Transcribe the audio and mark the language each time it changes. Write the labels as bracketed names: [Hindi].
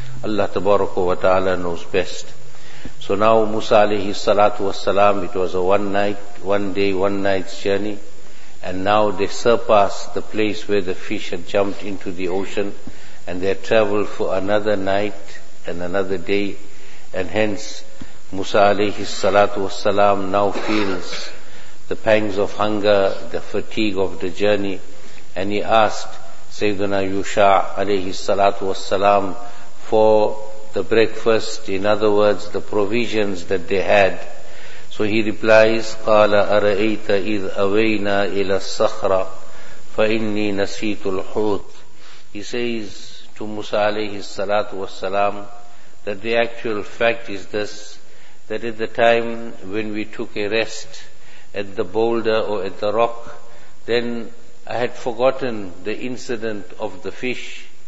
[English] Allah tabaraka wa ta'ala knows best. So now Musa alayhi salatu wasalam, it was a one night's journey, and now they surpassed the place where the fish had jumped into the ocean, and they had traveled for another night and another day, and hence Musa alayhi salatu wasalam now feels the pangs of hunger, the fatigue of the journey, and he asked Sayyidina Yusha alayhi salatu wasalam for the breakfast, in other words, the provisions that they had. So he replies, [Arabic] قَالَ أَرَأَيْتَ إِذْ أَوَيْنَا إِلَى الصَّخْرَةِ فَإِنِّي نَسِيتُ الْحُوتِ. [English] He says to Musa alayhi salatu wasalam that the actual fact is this, that at the time when we took a rest at the boulder or at the rock, then I had forgotten the incident of the fish.